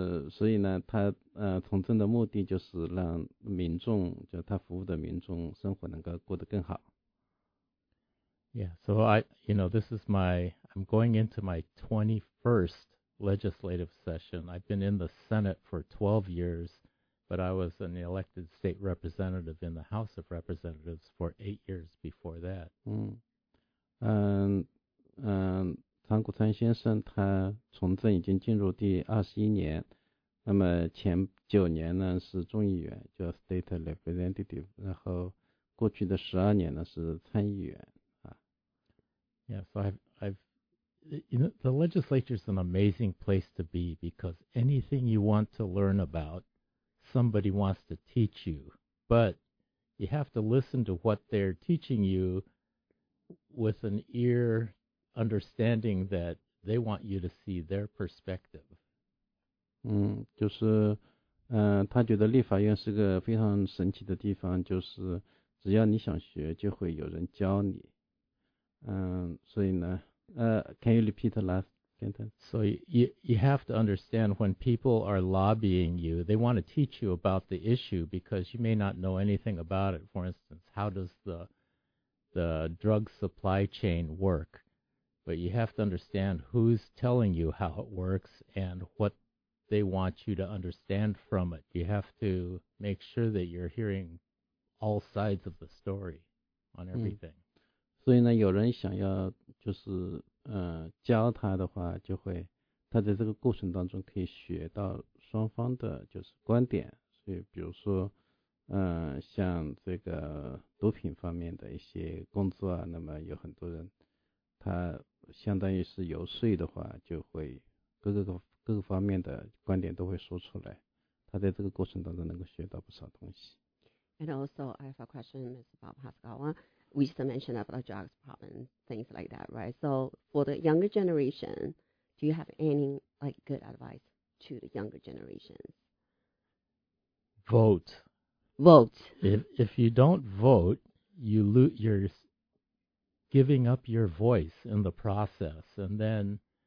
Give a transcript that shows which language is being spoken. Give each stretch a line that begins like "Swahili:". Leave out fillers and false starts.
Chinese: 所以呢，他从政的目的就是让民众，就他服务的民众生活能够过得更好。
English: Yeah, so I'm going into my 21st legislative session. I've been in the Senate for 12 years, but I was an elected state representative in the House of Representatives for 8 years before that.
Chinese: 长谷川先生他从政已经进入第21年，那么前9年呢是众议员，叫 state representative， 然后过去的12年呢是参议员。
English: Yeah, so I've, you know, the legislature is an amazing place to be because anything you want to learn about, somebody wants to teach you, but you have to listen to what they're teaching you with an ear understanding that they want you to see their perspective.
Chinese: 就是他觉得立法院是个非常神奇的地方，就是只要你想学就会有人教你。所以呢
English: can you repeat the last sentence? So you have to understand when people are lobbying you, they want to teach you about the issue because you may not know anything about it. For instance, how does the drug supply chain work? But you have to understand who's telling you how it works and what they want you to understand from it. You have to make sure that you're hearing all sides of the story on everything.
Chinese: 所以呢，有人想要就是教他的话，就会他在这个过程当中可以学到双方的就是观点。所以比如说像这个毒品方面的一些工作啊，那么有很多人他相当于是游说的话，就会各个方面的观点都会说出来，他在这个过程当中能够学到不少东西。
English: And also, I have a question, Mr. Bob Hasegawa. We just mentioned about the drugs problem, things like that, right? So, for the younger generation, do you have any like good advice to the younger generations? Vote. Vote. If you don't vote, you lose your giving up your voice in the process, and then